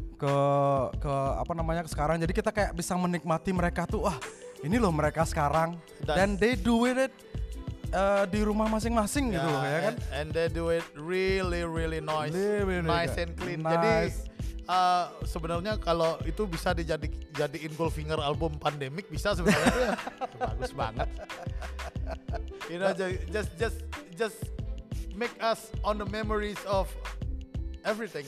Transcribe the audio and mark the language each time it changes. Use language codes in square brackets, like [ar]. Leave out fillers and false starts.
[id] ke apa namanya ke sekarang, jadi kita kayak bisa menikmati mereka tuh, wah ini loh mereka sekarang. Dan [en] they do it [id] di rumah masing-masing gitu loh ya kan. [en] And they do it really really nice, nice and clean. Nice. [id] Jadi sebenarnya kalau itu bisa dijadiin Goldfinger album pandemik bisa sebenarnya. Bagus banget. [en] You know, just make us on the memories of everything.